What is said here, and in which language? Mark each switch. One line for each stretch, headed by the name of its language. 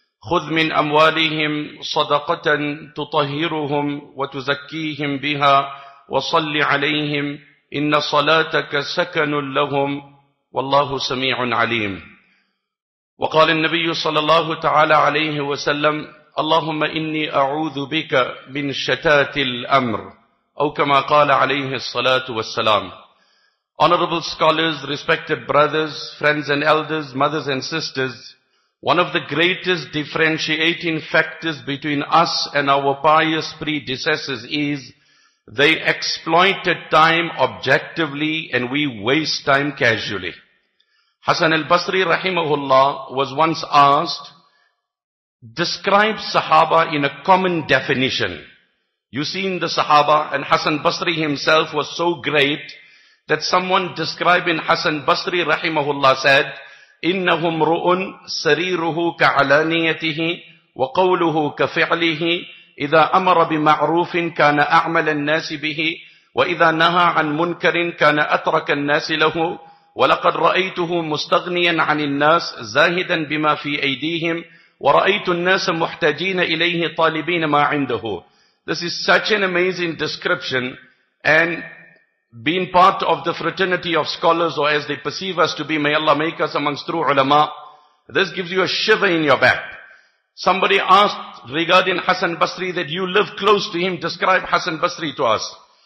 Arabic: خذ من أموالهم صدقة تطهرهم وتزكيهم بها وصل عليهم إن صلاتك سكن لهم والله سميع عليم. وقال النبي صلى الله تعالى عليه وسلم: اللهم إني أعوذ بك من شتات الأمر، أو كما قال عليه الصلاة والسلام.
English: Honorable scholars, respected brothers, friends and elders, mothers and sisters, one of the greatest differentiating factors between us and our pious predecessors is they exploited time objectively and we waste time casually. Hassan al-Basri rahimahullah was once asked, describe Sahaba in a common definition. You've seen the Sahaba, and Hassan Basri himself was so great that someone describing Hassan Basri rahimahullah said,
Arabic: إِنَّهُمْ رُؤُنْ سَرِيرُهُ كَعَلَانِيَتِهِ وَقَوْلُهُ كَفِعْلِهِ إِذَا أَمَرَ بِمَعْرُوفٍ كَانَ أَعْمَلَ النَّاسِ بِهِ وَإِذَا نَهَى عَنْ مُنْكَرٍ كَانَ أَتْرَكَ النَّاسِ لَهُ وَلَقَدْ رَأَيْتُهُ مُسْتَغْنِيًا عَنِ النَّاسِ زَاهِدًا بِمَا فِي أَيْدِيهِمْ ورأيت الناس محتاجين إليه طالبين ما عنده.
English: This is such an amazing description, and being part of the fraternity of scholars, or as they perceive us to be, may Allah make us amongst true ulama, this gives you a shiver in your back. Somebody asked regarding Hassan Basri that you live close to him, describe Hassan Basri to us.